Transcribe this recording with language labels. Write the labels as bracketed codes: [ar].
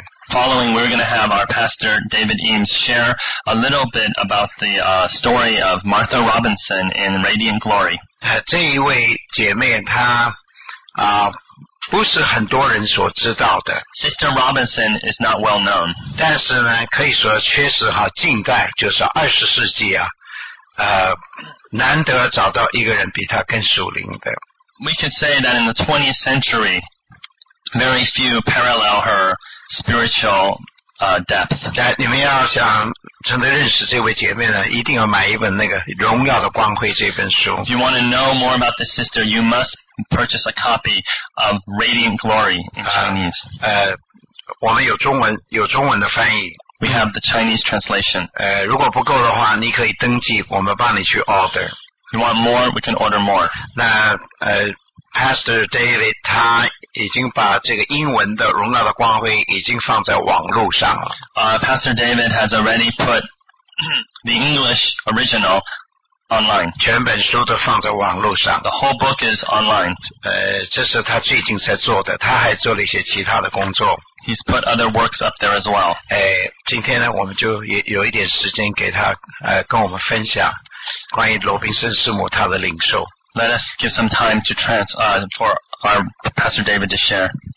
[en] Following, we're going to have our pastor David Eames share a little bit about the story of Martha Robinson in Radiant Glory. [zh] 这一位姐妹她不是很多人所知道的。 [en] Sister Robinson is not well known. [zh] 但是呢，可以说确实哈，近代就是二十世纪啊，难得找到一个人比她更属灵的。 [en] We can say that in the 20th century, very few parallel her. Spiritual depth. [zh] 你们要想真的认识这位姐妹呢，一定要买一本那个《荣耀的光辉》这本书。 [en] If you want to know more about the sister, you must purchase a copy of Radiant Glory in Chinese. [zh] 我们有中文的翻译。 [en] We have the Chinese translation. [zh] 如果不够的话，你可以登记，我们帮你去 order. [en] You want more? We can order more. [zh] 那Pastor David 他已经把这个英文的荣耀的光辉已经放在网络上了。 [en] Pastor David has already put the English original online. [zh] 全本书都放在网络上。 [en] The whole book is online. [zh] 这是他最近在做的，他还做了一些其他的工作。 [en] He's put other works up there as well. [zh] 今天呢，我们就有一点时间给他跟我们分享关于罗宾森师母他的领受。 [en] Let us give some time to for our Pastor David to share.